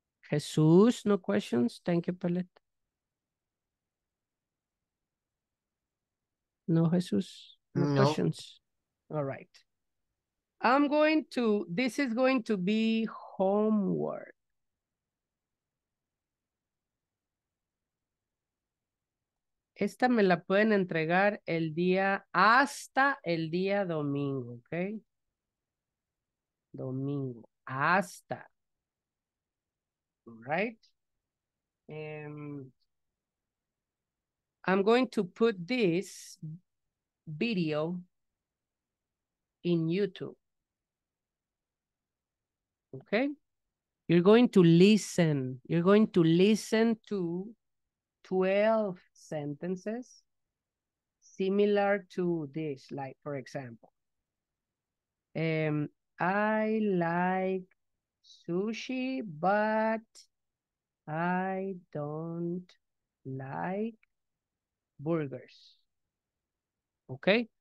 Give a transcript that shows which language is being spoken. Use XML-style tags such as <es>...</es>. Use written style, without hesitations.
<en>Jesus, no questions? Thank you, Paulette. No, Jesus? No questions. All right. I'm going to, this is going to be homework.</en> <es>Esta me la pueden entregar el día, hasta el día domingo, ¿ok? Domingo, hasta.</es> <en>right? I'm going to put this video in YouTube. Okay? You're going to listen. You're going to listen to 12 sentences similar to this, like, for example, I like sushi, but I don't like burgers. Okay?</en>